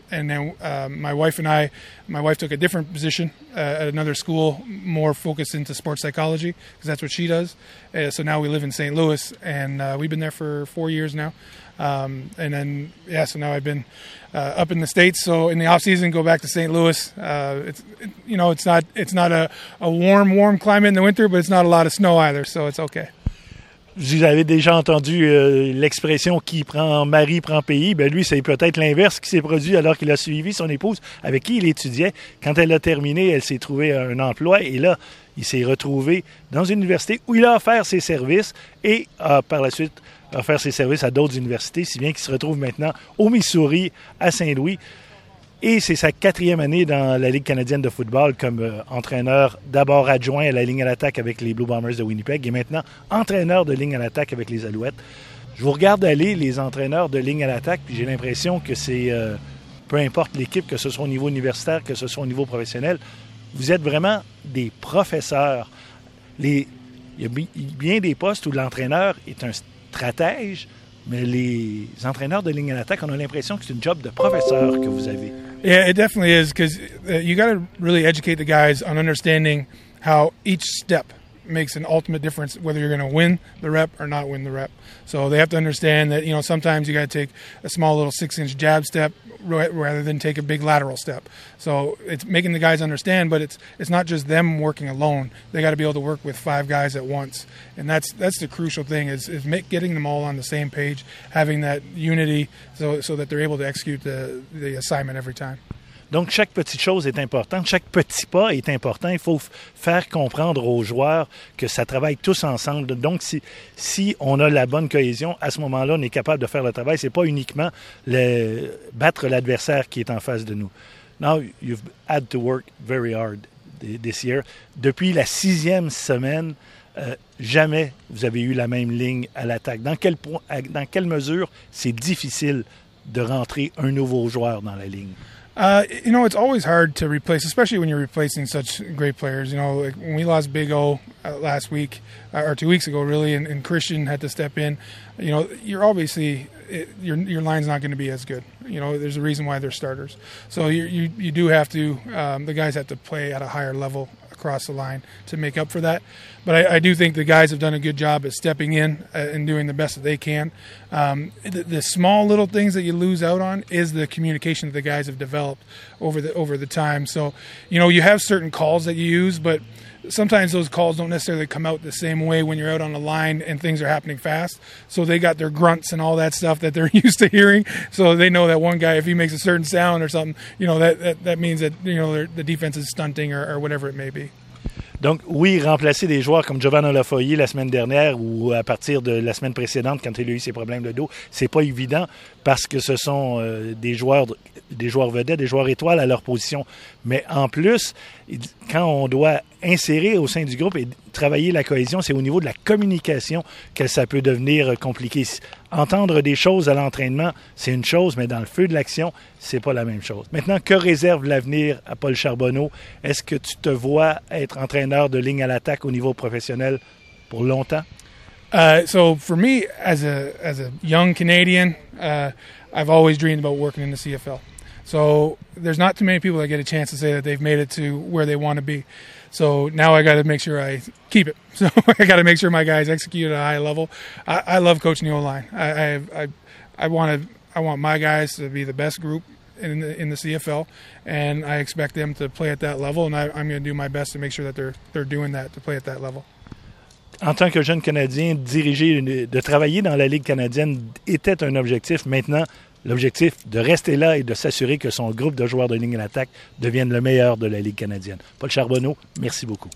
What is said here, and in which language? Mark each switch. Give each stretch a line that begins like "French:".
English: And then my wife took a different position at another school, more focused into sports psychology, because that's what she does. So now we live in St. Louis, and we've been there for 4 years now. And then, yeah, so now I've been up in the States. So in the off season, go back to St. Louis. It's not a warm, warm climate in the winter, but it's not a lot of snow either, so it's okay.
French: Vous avez déjà entendu l'expression « qui prend mari prend pays ». Ben lui, c'est peut-être l'inverse qui s'est produit alors qu'il a suivi son épouse avec qui il étudiait. Quand elle a terminé, elle s'est trouvée un emploi et là, il s'est retrouvé dans une université où il a offert ses services et a par la suite offert ses services à d'autres universités, si bien qu'il se retrouve maintenant au Missouri, à Saint-Louis. Et c'est sa quatrième année dans la Ligue canadienne de football comme entraîneur d'abord adjoint à la ligne à l'attaque avec les Blue Bombers de Winnipeg et maintenant entraîneur de ligne à l'attaque avec les Alouettes. Je vous regarde aller, les entraîneurs de ligne à l'attaque, puis j'ai l'impression que c'est, peu importe l'équipe, que ce soit au niveau universitaire, que ce soit au niveau professionnel, vous êtes vraiment des professeurs. Il y a bien des postes où l'entraîneur est un stratège. Mais les entraîneurs de ligne à l'attaque, on a l'impression que c'est une job de professeur que vous avez.
English: Yeah, it definitely is, because you got to really educate the guys on understanding how each step makes an ultimate difference, whether you're going to win the rep or not win the rep. So they have to understand that, you know, sometimes you got to take a small little 6-inch jab step rather than take a big lateral step. So it's making the guys understand, but it's not just them working alone. They got to be able to work with 5 guys at once. And that's the crucial thing is getting them all on the same page, having that unity so that they're able to execute the assignment every time.
French: Donc, chaque petite chose est importante. Chaque petit pas est important. Il faut faire comprendre aux joueurs que ça travaille tous ensemble. Donc, si on a la bonne cohésion, à ce moment-là, on est capable de faire le travail. C'est pas uniquement battre l'adversaire qui est en face de nous.
English: Now, you've had to work very hard this year.
French: Depuis la sixième semaine, jamais vous avez eu la même ligne à l'attaque. Dans quelle mesure c'est difficile de rentrer un nouveau joueur dans la ligne?
English: You know, it's always hard to replace, especially when you're replacing such great players. You know, like when we lost Big O last week, or 2 weeks ago, really, and Christian had to step in, you know, you're obviously, your line's not going to be as good. You know, there's a reason why they're starters. So you do have to, the guys have to play at a higher level across the line to make up for that. But I do think the guys have done a good job at stepping in and doing the best that they can. The small little things that you lose out on is the communication that the guys have developed over the time. So, you know, you have certain calls that you use, but sometimes those calls don't necessarily come out the same way when you're out on the line and things are happening fast. So they got their grunts and all that stuff that they're used to hearing. So they know that one guy, if he makes a certain sound or something, you know, that means that, you know, the defense is stunting or whatever it may be.
French: Donc, oui, remplacer des joueurs comme Giovanni Lafoyer la semaine dernière ou à partir de la semaine précédente quand il a eu ses problèmes de dos, c'est pas évident parce que ce sont des joueurs vedettes, des joueurs étoiles à leur position. Mais en plus, quand on doit insérer au sein du groupe et travailler la cohésion, c'est au niveau de la communication que ça peut devenir compliqué. Entendre des choses à l'entraînement, c'est une chose, mais dans le feu de l'action, c'est pas la même chose. Maintenant, que réserve l'avenir à Paul Charbonneau? Est-ce que tu te vois être entraîneur de ligne à l'attaque au niveau professionnel pour longtemps?
English: So for me, as a young Canadian, I've always dreamed about working in the CFL. So there's not too many people that get a chance to say that they've made it to where they want to be. So now I got to make sure I keep it. So I got to make sure my guys execute at a high level. I love coaching the O-line. I want my guys to be the best group in the CFL, and I expect them to play at that level, and I'm going to do my best to make sure that they're doing that, to play at that level.
French: En tant que jeune Canadien, de travailler dans la Ligue canadienne était un objectif. Maintenant, l'objectif de rester là et de s'assurer que son groupe de joueurs de ligne d'attaque devienne le meilleur de la Ligue canadienne. Paul Charbonneau, merci beaucoup.